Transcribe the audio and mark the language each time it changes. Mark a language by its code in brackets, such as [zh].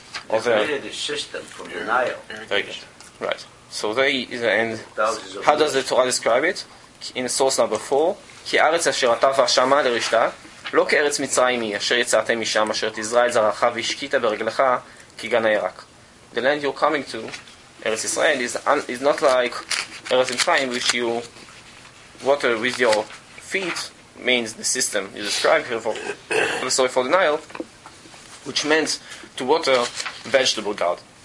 [en] They created a system from the Nile. Right. So they and how does the Torah describe it? In source number 4, [he] כי ארץ אשר אתה והשמה לרשתה, לא כארץ מצרים היא, אשר יצאתם משם, אשר תזרע את זרעך והשקית ברגלך כגן הירק. [en] The land you're coming to, ארץ ישראל, is not like ארץ מצרים, which you water with your feet, means the system you describe here for the Nile, which meant to water vegetable garden.